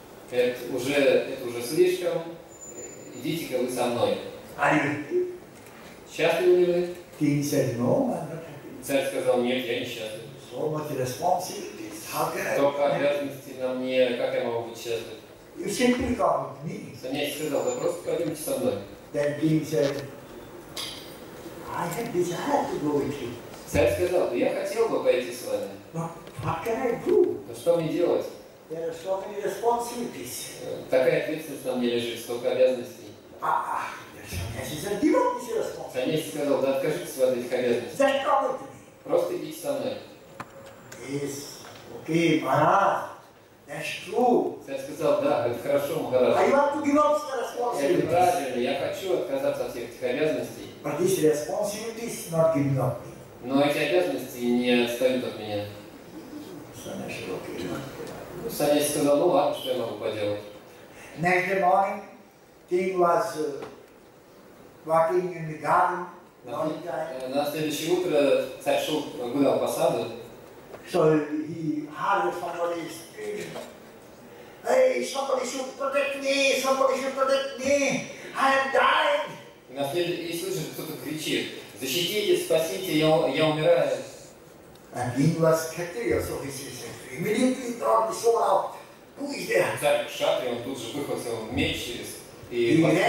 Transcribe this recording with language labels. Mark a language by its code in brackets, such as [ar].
[ru] Это уже слишком. Идите-ка вы со мной. [en] Are you happy? [ru] Счастливы вы? [en] King said, "No, I'm not happy." [ru] Царь сказал: "Нет, я не счастлив." [en] So much responsibilities. How can I? [ru] Только обязанности на мне. Как я могу быть счастлив? [en] You simply come with me. [ru] Саньяси сказал: "Да просто пойдемте со мной." [en] Then King said, "I have desire to go with you." [ru] Царь сказал: "Я хотел бы пойти с вами." [en] But what can I do? [ru] Но что мне делать? [en] There are so many responsibilities. [ru] Такая ответственность на мне лежит, столько обязанностей. [en] Саньяси said, "Give up these responsibilities." [ru] Саньяси сказал: "Да откажитесь от этих обязанностей." [en] Then come with me. [ru] Просто идите со мной. [en] Yes, okay, Maharaj. That's true. [ru] Царь сказал: "Да, это хорошо, Махарадж." [en] I want to give up the responsibilities. [ru] Это правильно. Я хочу отказаться от всех этих обязанностей. [en] But these responsibilities not giving up. [ru] Но эти обязанности не отстают от меня. [en] Саньяси okay. [ru] Саньяси сказал: "Ну ладно, что я могу поделать?" [en] Next morning, King was walking in the garden. [ru] На следующее утро царь шел гулял по саду. [en] So he heard somebody screaming, "Hey, somebody should protect me, I am dying!" [ru] И на следующий слышит, кто-то кричит: "Защитите, спасите, я умираю!" [en] And he was kshatriya, so he says, immediately drawn the sword out. Who is there? [ru] Царь кшатри, он тут же выхватил меч через...